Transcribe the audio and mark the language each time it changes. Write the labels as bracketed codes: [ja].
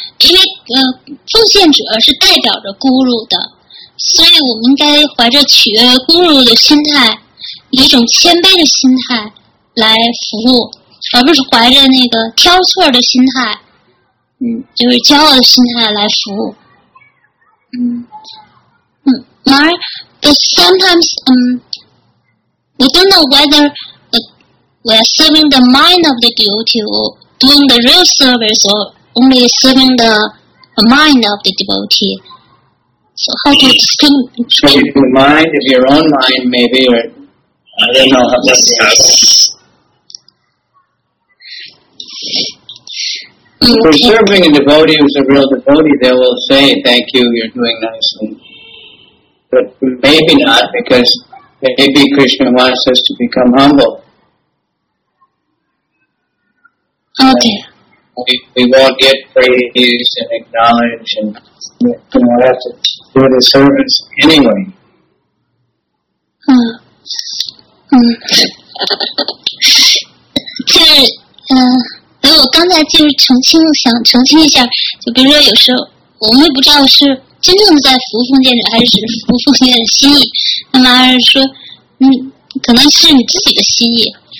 [zh] 因为奉献者是代表着咕噜的，所以我们应该怀着取悦咕噜的心态，以一种谦卑的心态来服务，而不是怀着那个挑错的心态，就是骄傲的心态来服务。 [en] But sometimes we don't know whether we are serving the mind of the devotee or doing the real service or only serving the mind of the devotee. So how to distinguish the mind of your own mind, maybe, or I don't know how to say it. If we're serving a devotee who's a real devotee, they will say, thank you, you're doing nicely. But maybe not, because maybe Krishna wants us to become humble. Okay. We won't get praise and acknowledge and you know, have to do the service anyway. [zh] So, 我刚才就是澄清一下，就比如说有时候我们也不知道是真正在服务奉献者，还是只是服务奉献的心意。那么还是说，可能是你自己的心意。